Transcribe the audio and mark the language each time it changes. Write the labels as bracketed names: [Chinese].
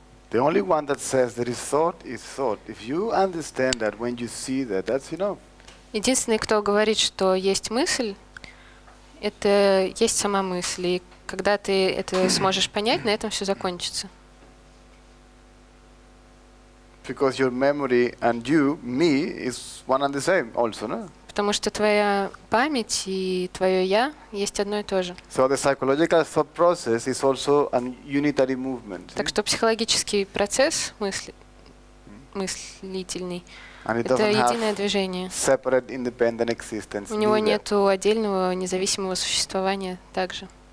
[English] The only one that says there is thought. If you understand that, when you see that, that's enough. [Russian] Единственный, кто говорит, что есть мысль, это есть сама мысль. И когда ты это сможешь понять, на этом все закончится. [English] Because your memory and you, me, is one and the same also, no? [Russian] потому что твоя память и твое я есть одно и то же. [English] So the psychological thought process is also a unitary movement. [Russian] Так что психологический процесс мыслительный это единое движение. [English] Separate independent existence. [Russian] У него нет отдельного независимого существования также.